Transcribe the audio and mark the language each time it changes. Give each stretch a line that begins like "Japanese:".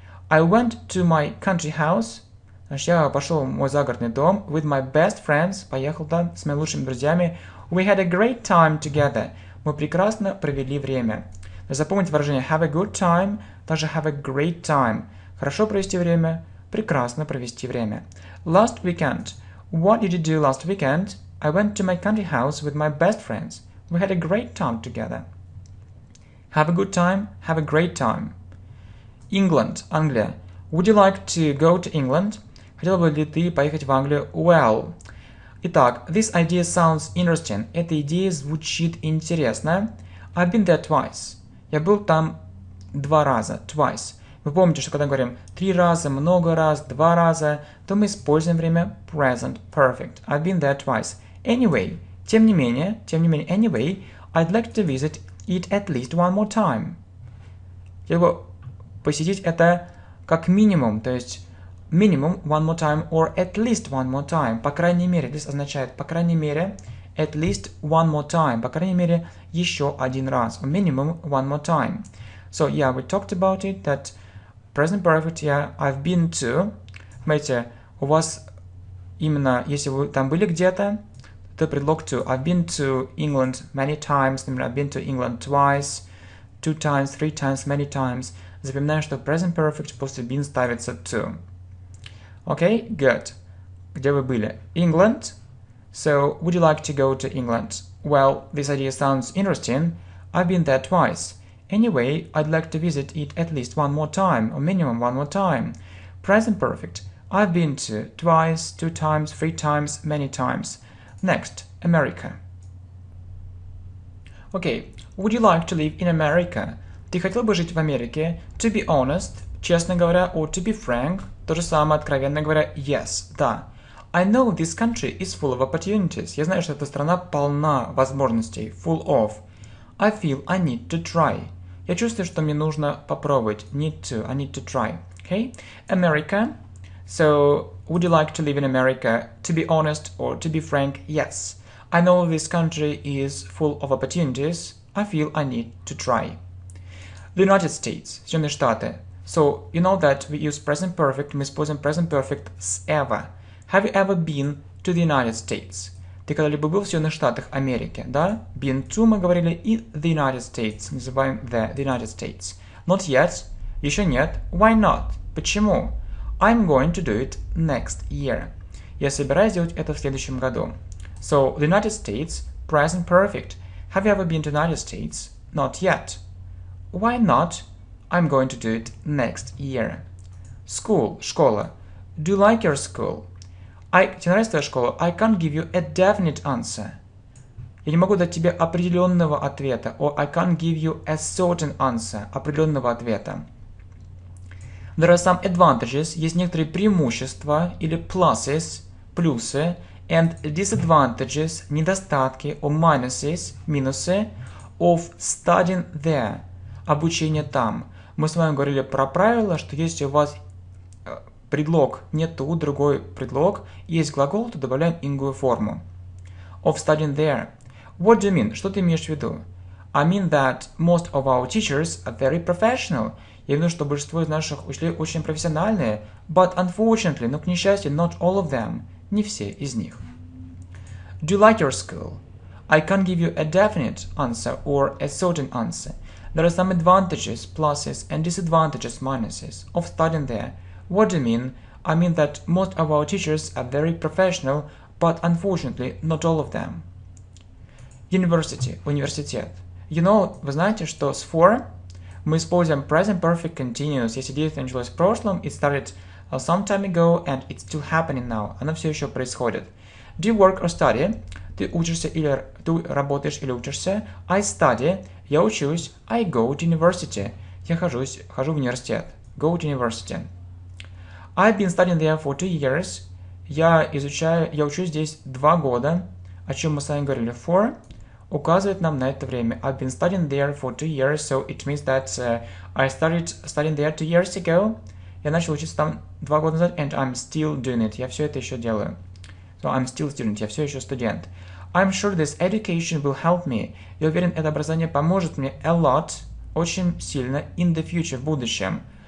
English: I went to my country house.
Russian: Значит, я пошел в мой загородный дом
English: with my best friends.
Russian: Поехал там с моими лучшими друзьями.
English: We had a great time together.
Russian: Мы прекрасно провели время. Запомните выражение
English: have a good time,
Russian: также
English: have a great time.
Russian: Хорошо провести время, прекрасно провести время.
English: Last weekend. What did you do last weekend? I went to my country house with my best friends. We had a great time together. Have a good time, have a great time. England, Англия. Would you like to go to England?
Russian: Хотел бы ли ты поехать в Англию?
English: Well. Итак, this idea sounds interesting.
Russian: Эта идея звучит интересно.
English: I've been there twice.
Russian: Я был там 2 раза.
English: Twice.
Russian: Вы помните, что когда говорим 3 раза, много раз, 2 раза, то мы используем время present perfect.
English: I've been there twice. Anyway.
Russian: Тем не менее,
English: anyway, I'd like to visit it at least one more time.
Russian: Я бы посетить это как минимум, то есть
English: minimum one more time
Russian: or at least one more time. По крайней мере, this означает по крайней мере
English: at least one more time.
Russian: По крайней мере еще один раз.
English: Minimum one more time. So yeah, we talked about it that present perfect. Yeah, I've been to.
Russian: Смотрите, у вас именно если вы там были где-то, то предлог to.
English: I've been to England many times. Например, I've been to England twice, 2 times, 3 times, many times.
Russian: Запоминаем, что present perfect после been ставится to.
English: Okay, good.
Russian: Где вы были? England.
English: So, would you like to go to England? Well, this idea sounds interesting. I've been there twice. Anyway, I'd like to visit it at least one more time, or minimum one more time. Present perfect. I've been to twice, 2 times, 3 times, many times. Next, America. Okay, would you like to live in America?
Russian: Ты хотел бы жить в Америке?
English: To be honest,
Russian: честно говоря,
English: or to be frank,
Russian: то же самое, откровенно говоря,
English: yes, да. I know this country is full of opportunities.
Russian: Я знаю, что эта страна полна возможностей, full of.
English: I feel I need to try.
Russian: Я чувствую, что мне нужно попробовать.
English: Need to, I need to try. Okay, America. So, would you like to live in America? To be honest or to be frank, yes. I know this country is full of opportunities. I feel I need to try. The United States.
Russian: Соединенные Штаты.
English: So, you know that we use present perfect.
Russian: Мы используем present perfect с ever.
English: Have you ever been to the United States?
Russian: Ты когда-либо был в Соединенных Штатах Америки, да?
English: Been to,
Russian: мы говорили, и
English: the United States.
Russian: Называем
English: the United States. Not yet.
Russian: Еще нет.
English: Why not?
Russian: Почему?
English: I'm going to do it next year.
Russian: Я собираюсь сделать это в следующем году.
English: So, the United States, present perfect. Have you ever been to the United States? Not yet. Why not? I'm going to do it next year. School, школа. Do you like your school?
Russian: Тебе нравится твоя школа?
English: I can't give you a definite answer.
Russian: Я не могу дать тебе определенного ответа.
English: Or I can't give you a certain answer.
Russian: Определенного ответа.
English: There are some advantages.
Russian: Есть некоторые преимущества или pluses, плюсы.
English: And disadvantages,
Russian: недостатки,
English: or minuses,
Russian: минусы,
English: of studying there,
Russian: обучение там. Мы с вами говорили про правило, что если у вас предлог не ту, другой предлог, есть глагол, то добавляем инговую форму.
English: Of studying there. What do you mean?
Russian: Что ты имеешь в виду?
English: I mean that most of our teachers are very professional.
Russian: Я имею в виду, что большинство из наших учителей очень профессиональные.
English: But unfortunately,
Russian: но к несчастью,
English: not all of them.
Russian: Не все из них.
English: Do you like your school? I can't give you a definite answer or a certain answer. There are some advantages, pluses, and disadvantages, minuses, of studying there. What do you mean? I mean that most of our teachers are very professional, but unfortunately, not all of them.
Russian: University, университет.
English: You know,
Russian: вы знаете, что с for мы используем present perfect continuous. Если действие началось в прошлом,
English: it started some time ago, and it's still happening now.
Russian: Оно все еще происходит.
English: Do you work or study?
Russian: Ты учишься или ты работаешь или учишься?
English: I study.
Russian: Я учусь.
English: I go to university.
Russian: Я хожу в университет.
English: Go to university. I've been studying there for 2 years.
Russian: Я учусь здесь 2 года. О чем мы с вами говорили? For указывает нам на это время.
English: I've been studying there for 2 years, so it means that I started studying there 2 years ago.
Russian: Я начал учиться там 2 года назад,
English: and I'm still doing it.
Russian: Я все это еще делаю.
English: So I'm still student.
Russian: Я все еще студент.
English: I'm sure this education will help me.
Russian: Я уверен, это образование поможет мне
English: a lot,
Russian: очень сильно,
English: in the future,
Russian: в будущем.